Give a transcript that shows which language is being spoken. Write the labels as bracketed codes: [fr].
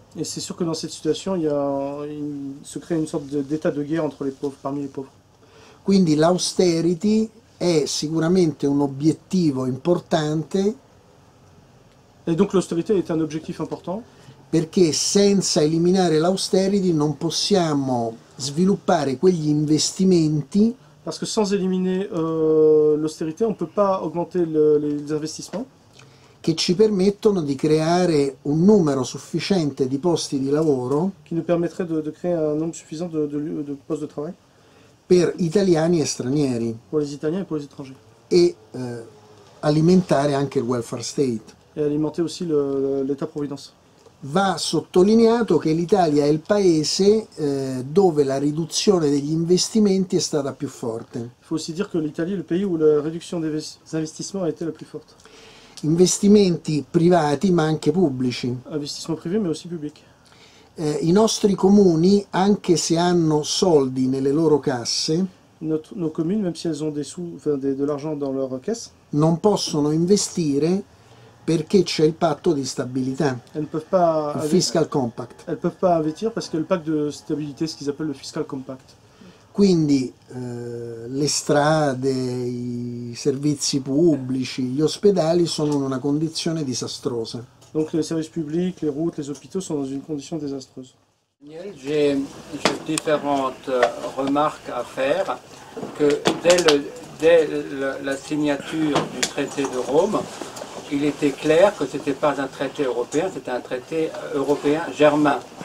[fr] Et c'est sûr que dans cette situation, se crée une sorte d'état de guerre entre les pauvres, parmi les pauvres. [it] Quindi l'austerity è sicuramente un obiettivo importante. [fr] Et donc l'austérité est un objectif important. [it] Perché senza eliminare l'austerity non possiamo sviluppare quegli investimenti. [fr] Parce que sans éliminer l'austérité, on ne peut pas augmenter les investissements. [it] Che ci permettono di creare un numero sufficiente di posti di lavoro [fr] qui nous permettrait de créer un nombre suffisant de postes de travail [it] per italiani e stranieri [fr] pour les italiens et pour les étrangers [it] e alimentare anche il welfare state [fr] et alimenter aussi l'état providence. [it] Va sottolineato che l'Italia è il paese dove la riduzione degli investimenti è stata più forte. [fr] Faut aussi dire que l'Italie est le pays où la réduction des investissements a été la plus forte. [it] Investimenti privati ma anche pubblici. [fr] Investissement privé mais aussi public. [it] I nostri comuni, anche se hanno soldi nelle loro casse, [fr] nos communes, même si elles ont des sous, de l'argent dans leur caisse, [it] non possono investire perché c'è il patto di stabilità. [fr] Elles ne peuvent pas [en] fiscal compact. [fr] Elles peuvent pas investir parce que le pacte de stabilité, ce qu'ils appellent le fiscal compact. [it] Quindi le strade, i servizi pubblici, gli ospedali sono in una condizione disastrosa. [fr] Donc les services publics, les routes, les hôpitaux sont dans une condition désastreuse. J'ai différentes remarques à faire. Que dès la signature du traité de Rome, il était clair que c'était pas un traité européen, c'était un traité européen germain.